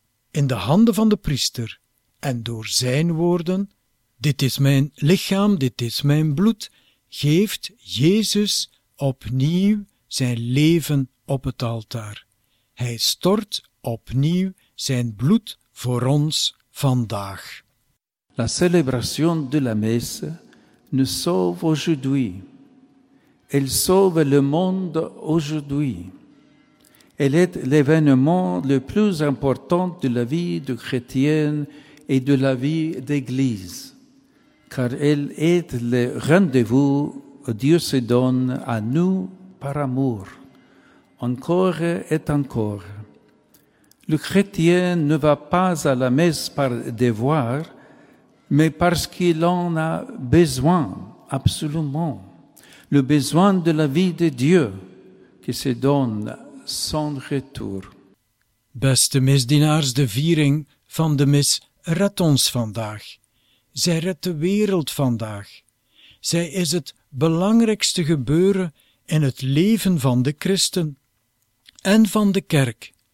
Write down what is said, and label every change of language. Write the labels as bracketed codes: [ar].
[nl] In de handen van de priester en door zijn woorden, dit is mijn lichaam, dit is mijn bloed, geeft Jezus opnieuw zijn leven op het altaar. Hij stort opnieuw zijn bloed voor ons vandaag. [fr] La célébration de la messe ne sauve aujourd'hui. Elle sauve le monde aujourd'hui. Elle est l'événement le plus important de la vie de chrétienne et de la vie d'église. Car elle est le rendez-vous que Dieu se donne à nous par amour, encore et encore. Le chrétien ne va pas à la messe par devoir, mais parce qu'il en a besoin, absolument. Le besoin de la vie de Dieu qui se donne sans retour. [nl] Beste misdienaars, de viering van de mis redt ons vandaag. Zij redt de wereld vandaag. Zij is het belangrijkste gebeuren in het leven van de christen en van de kerk.